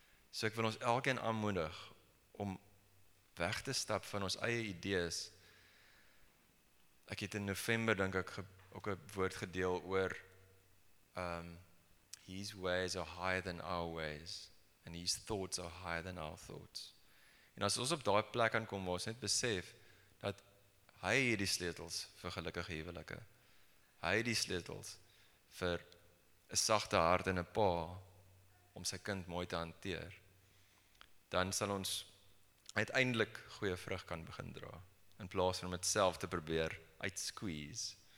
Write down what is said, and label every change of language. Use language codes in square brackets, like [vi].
[af] So ek wil ons elkeen aanmoedig om weg te stap van ons eie idees. Ek het in November, denk ek, ook 'n woord gedeel oor [en] his ways are higher than our ways and his thoughts are higher than our thoughts. [af] En as ons op daai plek kan kom waar ons net besef dat hy het die sleutels vir gelukkige huwelike. Hy het die sleutels vir 'n sagte hart en 'n pa om sy kind mooi te hanteer, dan sal ons uiteindelik goeie vrug kan begin dra, in plaas van om dit self te probeer uitsqueeze.